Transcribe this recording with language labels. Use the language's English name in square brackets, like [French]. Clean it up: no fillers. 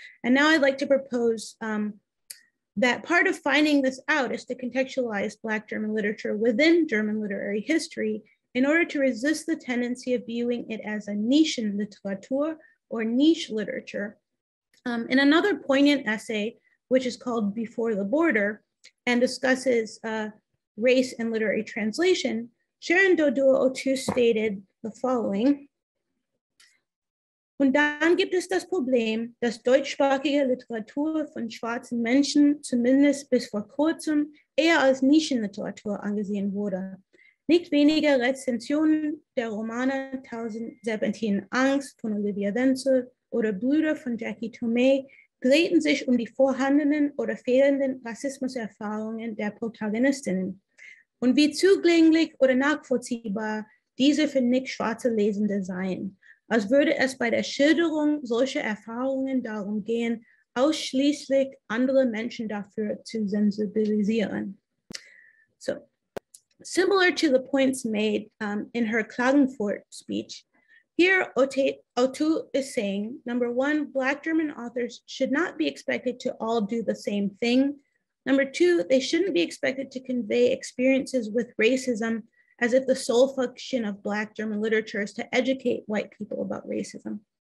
[English] And now I'd like to propose that part of finding this out is to contextualize Black German literature within German literary history in order to resist the tendency of viewing it as a niche in literature or niche literature. In another poignant essay, which is called Before the Border and discusses race and literary translation, Sharon Dodua Otu stated the following. [German] Und dann gibt es das Problem, dass deutschsprachige Literatur von schwarzen Menschen zumindest bis vor kurzem eher als Nischenliteratur angesehen wurde. Nicht weniger Rezensionen der Romane 1017 Angst von Olivia Wenzel oder Brüder von Jackie Tomei drehten sich um die vorhandenen oder fehlenden Rassismuserfahrungen der Protagonistinnen und wie zugänglich oder nachvollziehbar diese für nicht-schwarze Lesende seien, als würde es bei der Schilderung solcher Erfahrungen darum gehen, ausschließlich andere Menschen dafür zu sensibilisieren. [English] So, similar to the points made in her Klagenfurt speech, here, Otu is saying, number one, Black German authors should not be expected to all do the same thing. Number two, they shouldn't be expected to convey experiences with racism as if the sole function of Black German literature is to educate white people about racism.